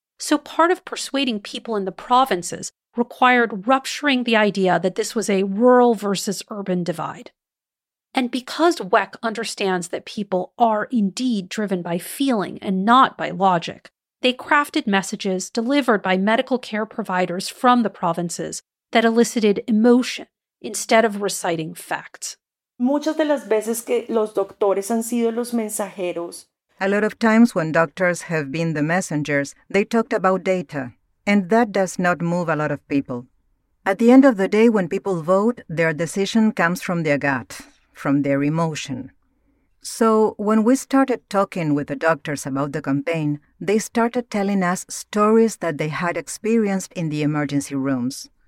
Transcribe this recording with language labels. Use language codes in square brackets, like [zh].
[en] So part of persuading people in the provinces required rupturing the idea that this was a rural versus urban divide. And because Weck understands that people are indeed driven by feeling and not by logic, they crafted messages delivered by medical care providers from the provinces that elicited emotion instead of reciting facts. [es] Muchas de las veces que los doctores han sido los mensajeros. [en] A lot of times when doctors have been the messengers, they talked about data, and that does not move a lot of people. At the end of the day, when people vote, their decision comes from their gut, from their emotion. So when we started talking with the doctors about the campaign, they started telling us stories that they had experienced in the emergency rooms.